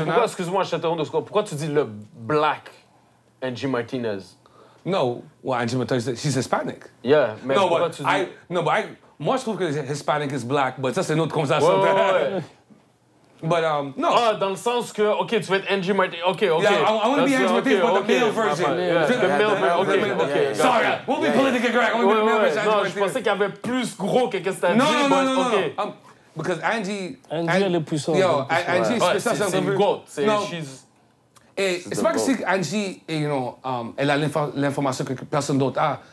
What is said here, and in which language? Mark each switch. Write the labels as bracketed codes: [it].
[fr] Mais pourquoi, excuse-moi, je t'interromps deux secondes, pourquoi tu dis le Black Angie Martinez? [en] No, well, Angie Martinez, she's Hispanic. Yeah, [fr] mais pourquoi tu dis... Moi, je trouve que [en] Hispanic is black, [fr] mais ça, c'est une autre conversation. Ah, dans le sens que, OK, tu veux être Angie Martinez. OK, OK. [en] Yeah, I want to be Angie Martinez, but the male version. The male version. Sorry, we'll be politically correct. I want to be the male version. [fr] Non, je pensais qu'il y avait plus gros que c'était Angie, mais [en] OK. No. Because Angie... [fr] Angie, elle est puissante. Yo, Angie, c'est ça. C'est une goat. [en] She's... [fr] Et c'est pas que c'est Angie, [en] you know, [fr] elle a l'information que personne d'autre a.